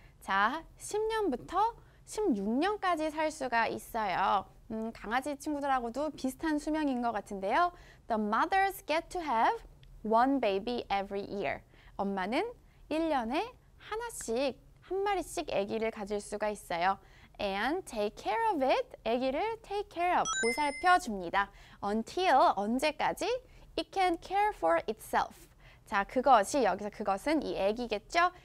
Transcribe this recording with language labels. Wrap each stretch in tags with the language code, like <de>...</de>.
<ko>자, 10년부터 16년까지 살 수가 있어요. 강아지 친구들하고도 비슷한 수명인 것 같은데요.</ko> <en>The mothers get to have one baby every year.</en> <ko>엄마는 1년에 하나씩, 한 마리씩 아기를 가질 수가 있어요.</ko> <en>And take care of it, 아기를 take care of,</en> <ko>보살펴줍니다.</ko> <en>Until,</en> <ko>언제까지?</ko> <en>It can care for itself.</en> <ko>자, 그것이, 여기서 그것은 이 아기겠죠?</ko>